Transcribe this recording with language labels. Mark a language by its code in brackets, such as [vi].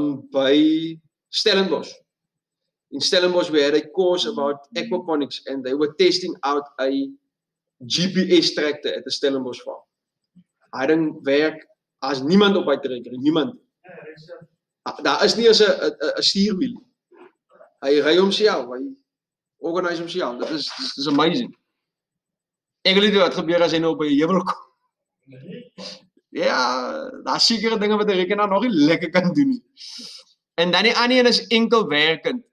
[en] By Stellenbosch. In Stellenbosch we had a course about aquaponics and they were testing out a GPS tractor at the Stellenbosch farm. [af] Hy ding werk as niemand op hy trekker, niemand. Daar is nie as 'n stuurwiel. Hy ry homself, hy organise homself. Dit is amazing. Ek weet nie wat gebeur as hy nou op die heuwel kom. Ja, daar is sekere dinge wat 'n rekenaar nog nie lekker kan doen nie. En dan die ander een is enkel werkend.